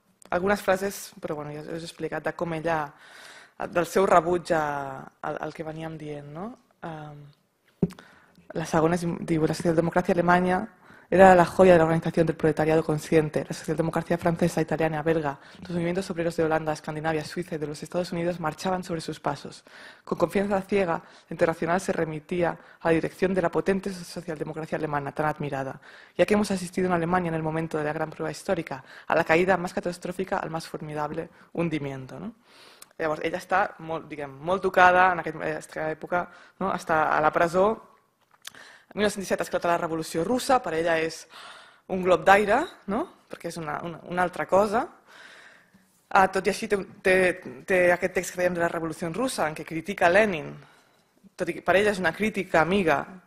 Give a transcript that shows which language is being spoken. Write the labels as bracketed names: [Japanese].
[Catalan] algunes frases, però bueno, ja us he explicat de com ella, del seu rebuig al que veníem dient. No? La segona diu, la socialdemocràcia alemanya era la joia de l'organització del [Spanish] proletariado consciente. [Catalan] La socialdemocràcia francesa, [Spanish] italiana, belga, los movimientos obreros de Holanda, Escandinavia, Suiza y de los Estados Unidos marchaban sobre sus pasos. Con confianza ciega, la internacional se remitía a la dirección de la potente socialdemocracia alemana, tan admirada. Ya que hemos asistido en Alemania en el momento de la gran prueba histórica, a la caída más catastrófica, al más formidable hundimiento. ¿No? [Catalan] Llavors, ella està molt, diguem, molt tocada en aquesta època, no? Està a la presó. 1917 esclata la revolució russa, per ella és un glob d'aire, no? Perquè és una altra cosa. Tot i així té aquest text que dèiem de la revolució russa, en què critica Lenin, tot i que per ella és una crítica amiga.